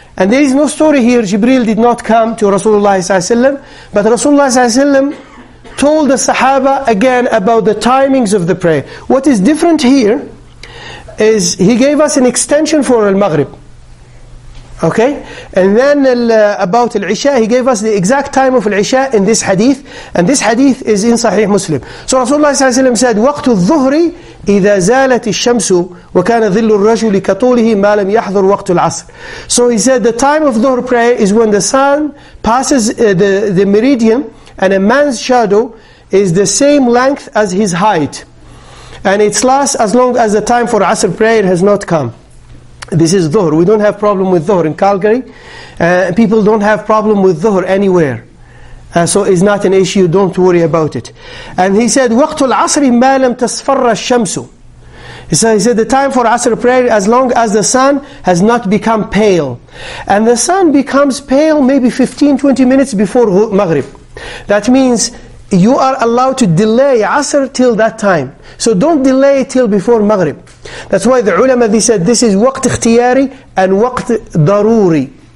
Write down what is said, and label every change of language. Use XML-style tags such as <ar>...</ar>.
<en>And there is no story here, Jibreel did not come to Rasulullah ﷺ, but Rasulullah ﷺ told the Sahaba again about the timings of the prayer. What is different here is he gave us an extension for al-Maghrib. Okay? And then about al-Isha, he gave us the exact time of al-Isha in this hadith. And this hadith is in Sahih Muslim. So Rasulullah ﷺ said,</en> <ar>وَقْتُ الظُّهْرِ إِذَا زَالَتِ الشَّمْسُ وَكَانَ ظِلُّ الرَّجُلِ كَطُولِهِ مَا لَمْ يَحْضُرُ وَقْتُ الْعَصْرِ.</ar> <en>So he said, the time of Dhuhr prayer is when the sun passes the meridian, and a man's shadow is the same length as his height. And it lasts as long as the time for Asr prayer has not come. This is Dhuhr. We don't have problem with Dhuhr in Calgary. People don't have problem with Dhuhr anywhere. So it's not an issue. Don't worry about it. And he said,</en> <ar>وَقْتُ الْعَصْرِ مَا لَمْ تَصْفَرَّ الشَّمْسُ.</ar> <en>So he said, the time for Asr prayer, as long as the sun has not become pale. And the sun becomes pale maybe 15, 20 minutes before Maghrib. That means you are allowed to delay Asr till that time. So don't delay till before Maghrib. That's why the ulama, they said, this is waqt ikhtiyari and waqt daruri.</en>